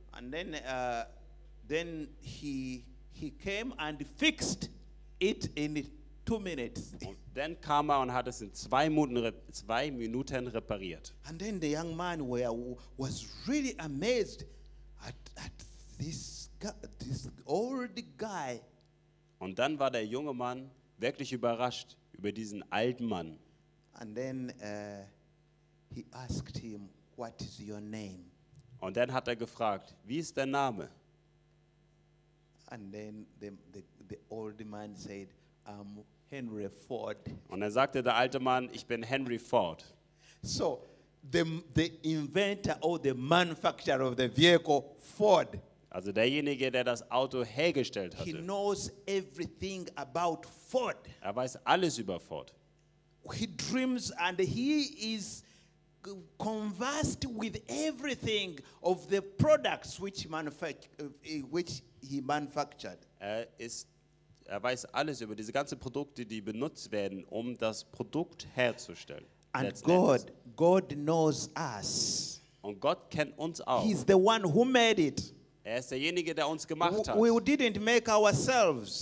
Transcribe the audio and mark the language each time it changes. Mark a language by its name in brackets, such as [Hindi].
[English] And then he came and fixed it in 2 minutes. [German] Und dann kam er und hat es in zwei Minuten repariert. [English] And then the young man was really amazed at this old guy. [German] Und dann war der junge Mann wirklich überrascht über diesen alten Mann. [English] And then he asked him, what is your name? [German] Und dann hat er gefragt, wie ist dein Name? [English] And then the old man said, I'm Henry Ford. [German] Und dann sagte der alte Mann, ich bin Henry Ford. [English] So, the inventor or the manufacturer of the vehicle, Ford. [German] Also derjenige, der das Auto hergestellt hatte. [English] He knows everything about Ford. [German] Er weiß alles über Ford. [English] He dreams and he is conversed with everything of the products which he manufactured. [German] Er weiß alles über diese ganzen Produkte, die benutzt werden, um das Produkt herzustellen. [English] And God knows us. [German] Und Gott kennt uns auch. [English] He's the one who made it. [German] Er ist derjenige, der uns gemacht hat. [English] We didn't make ourselves.